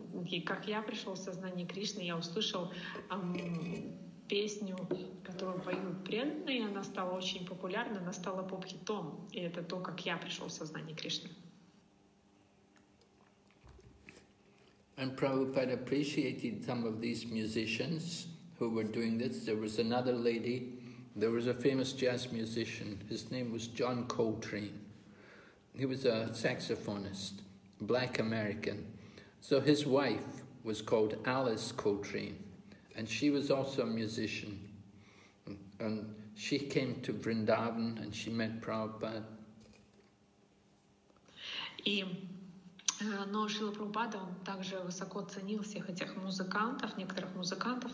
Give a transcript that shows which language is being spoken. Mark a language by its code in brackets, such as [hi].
[ru] И как я пришел в сознание Кришны, я услышал песню, которую поют преданные, она стала очень популярна, она стала поп-хитом, и это то, как я пришел в сознание Кришны. [en] And Prabhupada appreciated some of these musicians who were doing this. There was another lady, there was a famous jazz musician. His name was John Coltrane. He was a saxophonist, black American. So his wife was called Alice Coltrane, and she was also a musician. And she came to Vrindavan and she met Prabhupada. [ru] И Но Шрила Прабхупада, он также высоко ценил всех этих музыкантов, некоторых музыкантов.